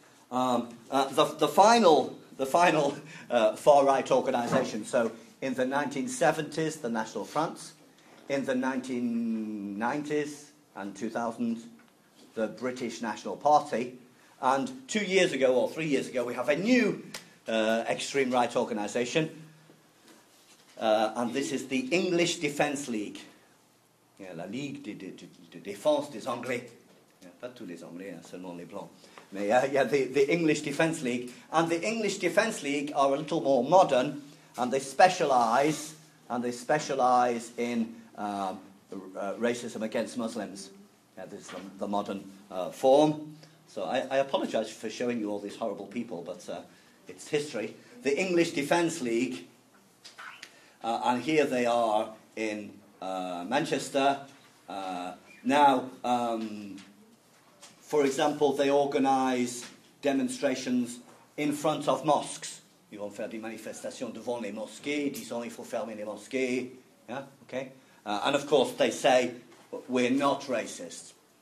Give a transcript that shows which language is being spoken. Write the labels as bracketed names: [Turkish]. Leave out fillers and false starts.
[English] The final far-right organisation, so in the 1970s, the National Front, in the 1990s and 2000s, the British National Party, and 2 years ago, or 3 years ago, we have a new extreme-right organisation, and this is the English Defence League. [French] Yeah, la Ligue de Défense des Anglais. Yeah, pas tous les Anglais, seulement les Blancs. [English] The English Defence League. And the English Defence League are a little more modern, and they specialise in racism against Muslims. Yeah, this is the modern form. So I apologise for showing you all these horrible people, but it's history. The English Defence League, and here they are in Manchester. For example, they organise demonstrations in front of mosques. [French] Ils vont faire des manifestations devant les mosquées, disons il faut fermer les mosquées. [English] Yeah, okay. And of course, they say we're not racist.